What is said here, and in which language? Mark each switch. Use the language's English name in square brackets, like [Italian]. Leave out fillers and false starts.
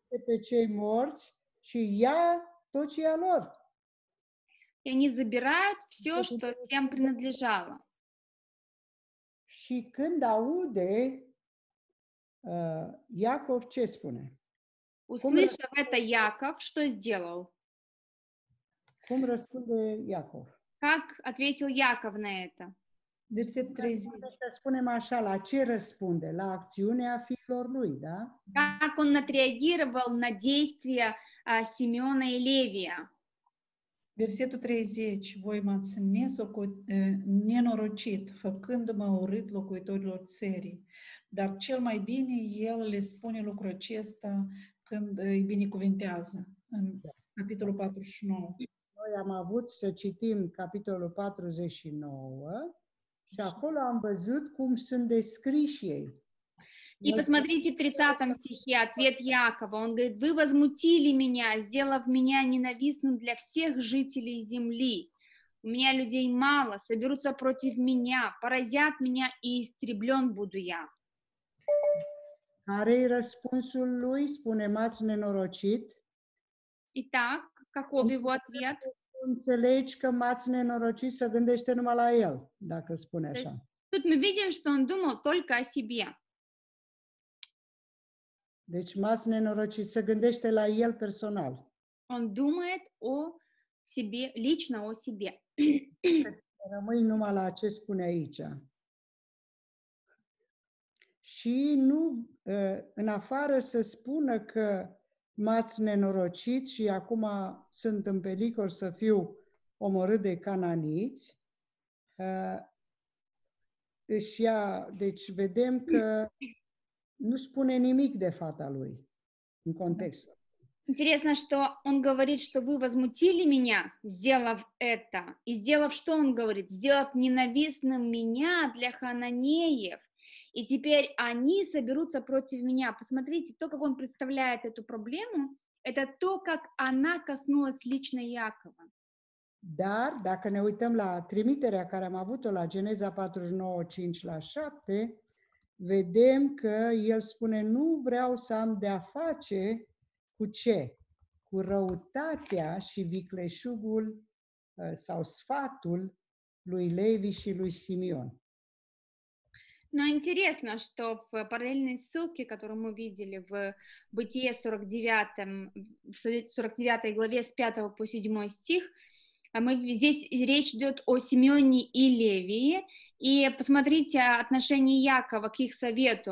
[Romanian] Pe cei morți și ia tot ce e a lor. [Russian] И они забирают все, что тем принадлежало. [Romanian] Și când aude Iacov ce spune? [Russian] Услышав это Яков, что сделал? [Romanian] Cum răspunde Iacov? [Russian] Как ответил Яков на это? [Romanian] Verset 30. Să spunem așa, la ce răspunde? La acțiunea fiilor lui, da? [Russian] Как он отреагировал на действия Симеона и Левия? [Romanian] Versetul 30. Voi m-ați nenorocit, făcându-mă urât locuitorilor țării. Dar cel mai bine el le spune lucrul acesta când îi binecuvintează. În capitolul 49. Noi am avut să citim capitolul 49. Și acolo am văzut cum sunt descriși ei. [Russian] И посмотрите в 30 стихе ответ Якова. Он говорит: «Вы возмутили меня, сделав меня ненавистным для всех жителей земли. У меня людей мало, соберутся против меня, поразят меня и истреблен буду я». [Romanian] Care e răspunsul lui? Spune, m-ați nenorocit. [Russian] Итак, каков его ответ? [Romanian] Înțelegi că m-ați nenorocit, să gândește numai la el, dacă spune așa. [Russian] Тут мы видим, что он думал только о себе. [Romanian] Deci m-ați nenorocit, să gândește la el personal. [Russian] Он думает о себе, лично о себе. [Romanian] Rămâi numai la ce spune aici. Și nu, în afară să spună că m-ați nenorocit și acum sunt în pericol să fiu omorât de cananiți. Și ea, deci vedem că nu spune nimic de fata lui în context. [Russian] Интересно, что он говорит, что вы возмутили меня, сделав это, и сделав, что он говорит, сделав ненавистным меня для хананеев. И теперь они соберутся против меня. Посмотрите, то, как он представляет эту проблему, это то, как она коснулась лично Якова. [Romanian] Dar dacă ne uităm la trimiterea care am avut-o la Geneza 49, 5 la 7, vedem că el spune, nu vreau să am de-a face cu ce? Cu răutatea și vicleșugul sau sfatul lui Levi și lui Simeon. [Russian] Но интересно, что в параллельной ссылке, которую мы видели в Бытие 49, в 49 главе с 5 по 7 стих, Мы здесь речь идет о Симеоне и Левии. И посмотрите отношение Якова к их совету.